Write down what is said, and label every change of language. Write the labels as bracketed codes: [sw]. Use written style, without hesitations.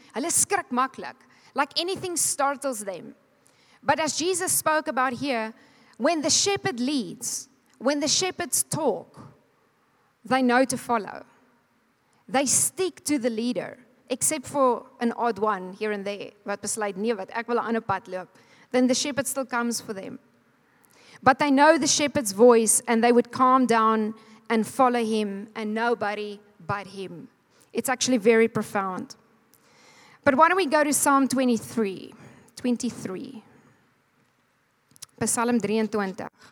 [af] Hulle skrik maklik. [en] Like anything startles them. But as Jesus spoke about here, when the shepherd leads, when the shepherds talk, they know to follow. They stick to the leader, except for an odd one here and there. [af] Wat besluit nie, wat ek wil 'n ander pad loop. [en] Then the shepherd still comes for them. But they know the shepherd's voice, and they would calm down and follow him, and nobody but him. It's actually very profound. But why don't we go to Psalm 23. Psalm 23.